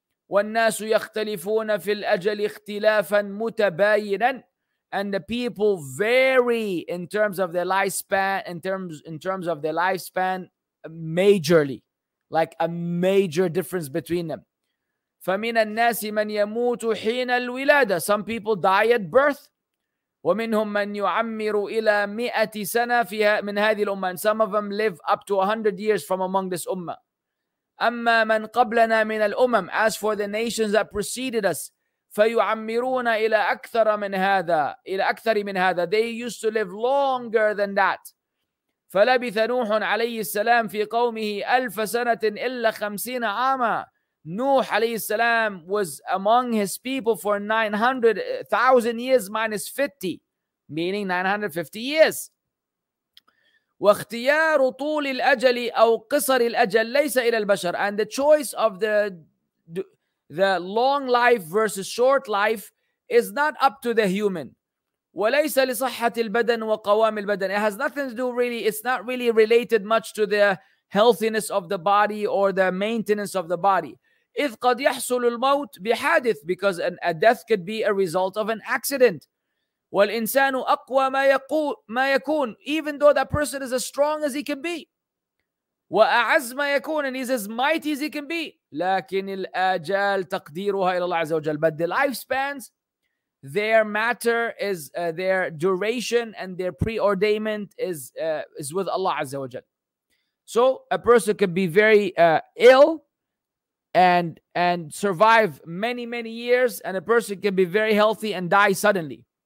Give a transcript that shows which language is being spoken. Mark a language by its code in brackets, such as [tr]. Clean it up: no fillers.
[ar] والناس يختلفون في الأجل اختلافا متباينا, [en] and the people vary in terms of their lifespan, in terms of their lifespan majorly, like a major difference between them. [ar] فمن الناس من يموت حين الولادة, [en] some people die at birth. [ar] ومنهم من يعمر إلى مئة سنة فيها من هذه الأمة. [en] And some of them live up to 100 years from among this أمة. [ar] أما من قبلنا من الأمم, [en] as for the nations that preceded us, [ar] فيعمرون إلى أكثر من هذا, إلى أكثر من هذا. [en] They used to live longer than that. [ar] فلبث نوح عليه السلام في قومه ألف سنة إلا خمسين عاما. [en] Nuh alayhi salam was among his people for 900,000 years minus 50, meaning 950 years. [ar] واختيار طول الأجل أو قصر الأجل ليس إلى البشر. [en] And the choice of the long life versus short life is not up to the human. [ar] وليس لصحة البدن وقوام البدن. [en] It has nothing to do really, it's not really related much to the healthiness of the body or the maintenance of the body. [ar] إذ قد يحصل الموت بحادث, [en] because a death could be a result of an accident. [ar] والإنسان أقوى ما يكون, [en] even though that person is as strong as he can be. [ar] وأعز ما يكون, [en] and he's as mighty as he can be. [ar] لكن الآجال تقديرها إلى الله عز وجل. [en] But the lifespans, their matter is their duration and their preordainment is with Allah عز وجل. So a person could be very ill and survive many, many years, and a person can be very healthy and die suddenly.